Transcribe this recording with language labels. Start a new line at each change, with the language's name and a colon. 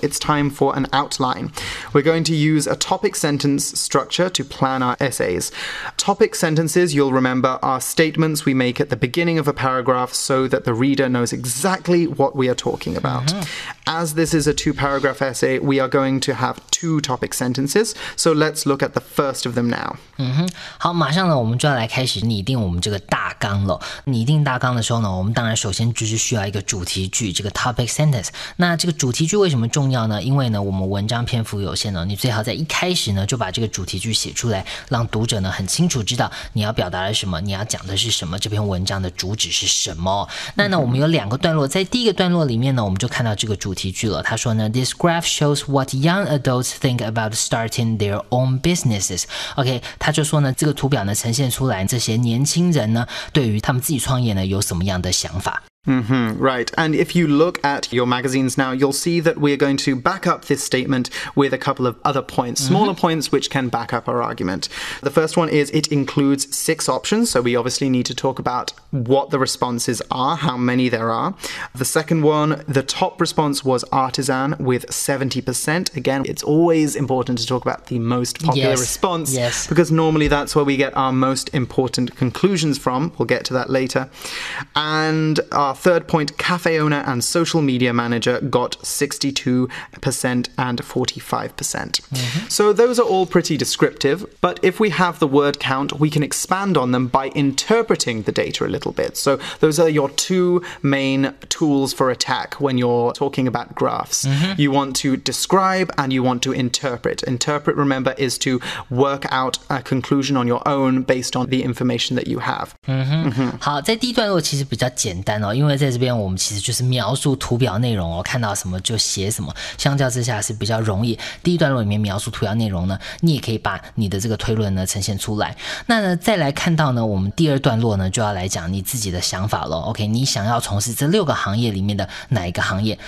English: It's time for an outline. We're going to use a topic sentence structure to plan our essays. Topic sentences, you'll remember, are statements we make at the beginning of a paragraph so that the reader knows exactly what we are talking about. As this is a two-paragraph essay, we are going to have two topic sentences. So let's look at the first of them now.
Chinese: 好，马上呢，我们就要来开始拟定我们这个大纲了。拟定大纲的时候呢，我们当然首先就是需要一个主题句，这个 topic sentence。那这个主题句为什么重要呢？因为呢，我们文章篇幅有限呢，你最好在一开始呢就把这个主题句写出来，让读者呢很清楚知道你要表达的什么，你要讲的是什么，这篇文章的主旨是什么。那呢，我们有两个段落，在第一个段落里面呢，我们就看到这个主题句了。他说呢 ，
English: This graph shows what young adults think about starting their own businesses.
Chinese: OK， 他就说呢，这个图表呢呈现出来这些年轻人呢对于他们自己创业呢有什么样的想法。
English: Right. And if you look at your magazines now, you'll see that we're going to back up this statement with a couple of other points, smaller points, which can back up our argument. The first one is it includes six options. So we obviously need to talk about what the responses are, how many there are. The second one, the top response was artisan with 70%. Again, it's always important to talk about the most popular response because normally that's where we get our most important conclusions from. We'll get to that later. And our third point, cafe owner and social media manager got 62% and 45%. So those are all pretty descriptive, but if we have the word count, we can expand on them by interpreting the data a little bit. So those are your two main tools for attack when you're talking about graphs. You want to describe and you want to interpret. Interpret, remember, is to work out a conclusion on your own based on the information that you have.
Chinese: 好，在第一段落其实比较简单哦。因为在这边我们其实就是描述图表内容哦，看到什么就写什么，相较之下是比较容易。第一段落里面描述图表内容呢，你也可以把你的这个推论呢呈现出来。那呢，再来看到呢，我们第二段落呢就要来讲你自己的想法了。OK， 你想要从事这六个行业里面的哪一个行业？